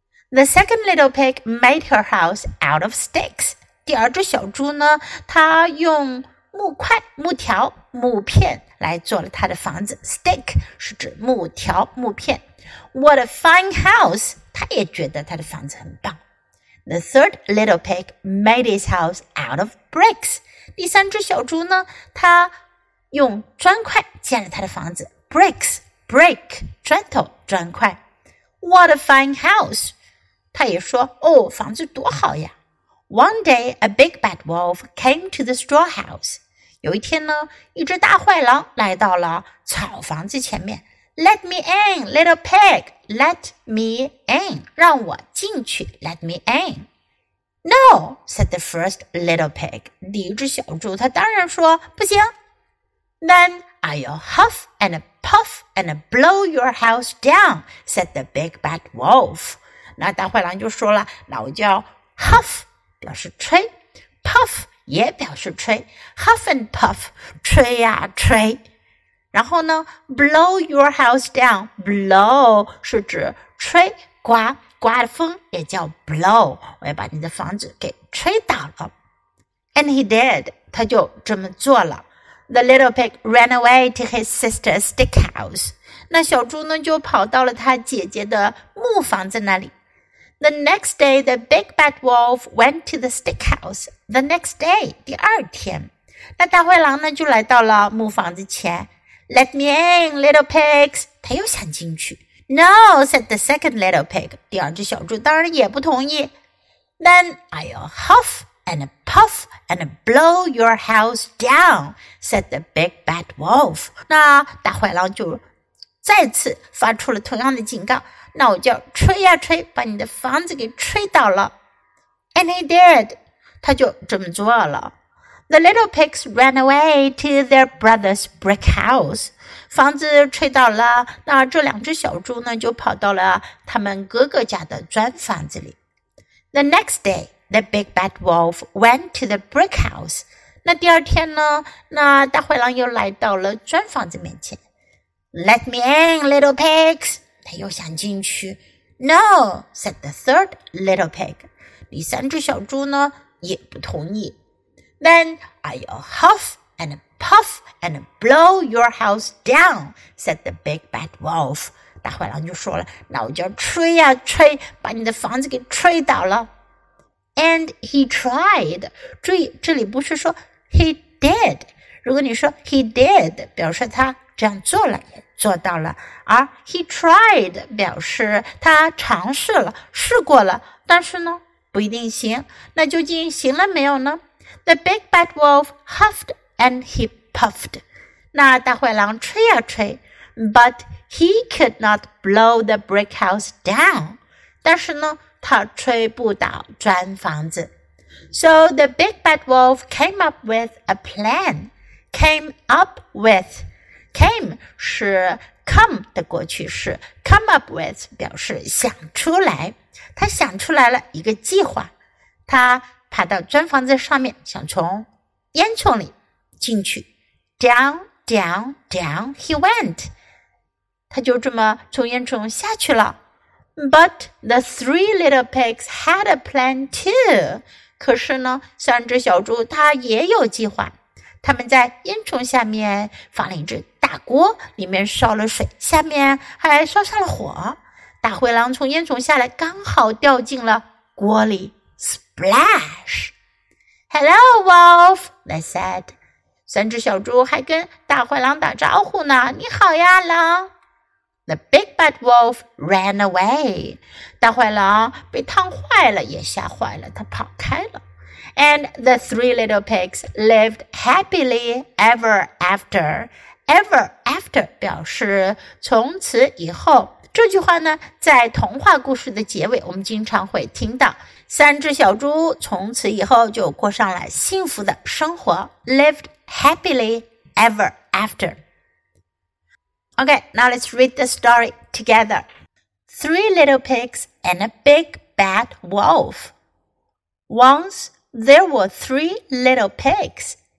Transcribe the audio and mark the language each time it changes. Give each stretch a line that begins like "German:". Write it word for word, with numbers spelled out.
English: The second little pig made her house out of sticks
Chinese: 第二只小猪呢它用木块木条木片来做了它的房子 Stick 是指木条木片
English: What a fine house
Chinese: 它也觉得它的房子很棒
English: The third little pig made his house out of bricks
Chinese: 第三只小猪呢它用砖块建了他的房子
English: bricks, brick,
Chinese: 砖头砖块
English: What a fine house!
Chinese: 他也说哦房子多好呀
English: One day, a big bad wolf came to the straw house.
Chinese: 有一天呢一只大坏狼来到了草房子前面
English: Let me in, little pig, let me in,
Chinese: 让我进去
English: let me in. No, said the first little pig.
Chinese: 第一只小猪他当然说不行
English: Then I'll huff and puff and blow your house down, said the big bad wolf.
Chinese: 那大灰狼就说了，那我叫 huff 表示吹， puff 也表示吹， huff and puff 吹呀吹。然后呢
English: blow your house down，
Chinese: blow 是指吹，刮刮的风也叫 blow， 我要把你的房子给吹倒了。
English: And he did，
Chinese: 他就这么做了。
English: The little pig ran away to his sister's stick house，
Chinese: 那小猪呢就跑到了他姐姐的木房子那里。
English: The next day the big bad wolf went to the stick house， the next day
Chinese: 第二天，那大灰狼呢就来到了木房子前。
English: Let me in little pigs，
Chinese: 他又想进去。
English: No said the second little pig，
Chinese: 第二只小猪当然也不同意。
English: Then I'll huff and puff and blow your house down said the big bad wolf，
Chinese: 那大坏狼就再次发出了同样的警告，那我就吹呀吹，把你的房子给吹倒了。
English: And he did，
Chinese: 他就这么做了。
English: The little pigs ran away to their brother's brick house，
Chinese: 房子吹倒了，那这两只小猪呢就跑到了他们哥哥家的砖房子里。
English: The next day The big bad wolf went to the brick house.
Chinese: 那第二天呢，那大灰狼又来到了砖房子面前。
English: Let me in, little pigs.
Chinese: 他又想进去。
English: No, said the third little pig.
Chinese: 第三只小猪呢，也不同意。
English: Then I'll huff and puff and blow your house down, said the big bad wolf.
Chinese: 大灰狼就说了，那我就吹呀吹，把你的房子给吹倒了。
English: And he tried，
Chinese: 注意这里不是说
English: he did，
Chinese: 如果你说 he did 表示他这样做了，也做到了，而
English: he tried
Chinese: 表示他尝试了，试过了，但是呢不一定行。那究竟行了没有呢？
English: The big bad wolf huffed and he puffed，
Chinese: 那大灰狼吹呀吹，
English: But he could not blow the brick house down，
Chinese: 但是呢他吹不倒砖房子。
English: So the big bad wolf came up with a plan. Came up with. Came 是 come 的过去式， come up with
Chinese: 表示想出来。他想出来了一个计划。他爬到砖房子上面，想从烟囱里进去。
English: Down, down, down he went.
Chinese: 他就这么从烟囱下去了。
English: But the three little pigs had a plan too.
Chinese: 可是呢，三只小猪它也有计划。他们在烟囱下面放了一只大锅，里面烧了水，下面还烧上了火。大灰狼从烟囱下来，刚好掉进了锅里。
English: Splash! Hello, wolf, they said.
Chinese: 三只小猪还跟大灰狼打招呼呢，你好呀，狼。
English: The big bad wolf ran away.
Chinese: 大坏狼被烫坏了，也吓坏了，他跑开了。
English: And the three little pigs lived happily ever after. Ever after
Chinese: 表示从此以后。这句话呢，在童话故事的结尾，我们经常会听到。三只小猪从此以后就过上了幸福的生活。
English: Lived happily ever after. Okay, now let's read the story together. Three little pigs and a big bad wolf. Once there were three little pigs.